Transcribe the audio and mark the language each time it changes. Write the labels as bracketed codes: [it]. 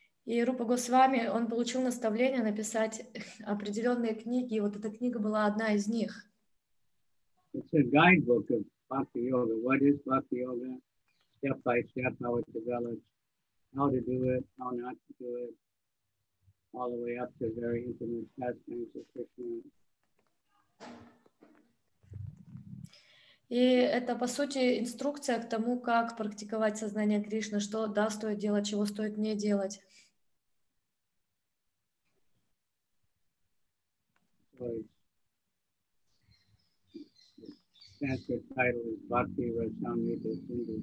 [ru] И Рупа Госвами, он получил наставление написать определенные книги, и вот эта книга была одна из них. [en] It's a guidebook of Bhakti Yoga. What is Bhakti Yoga? Step by step, how it develops, how to do it, how not to do it, all the way up to very intimate pastimes of Krishna. [ru] И это, по сути, инструкция к тому, как практиковать сознание Кришны, что да, стоит делать, чего стоит не делать. [en] The Sanskrit title is Bhakti Rasamrita Sindhu.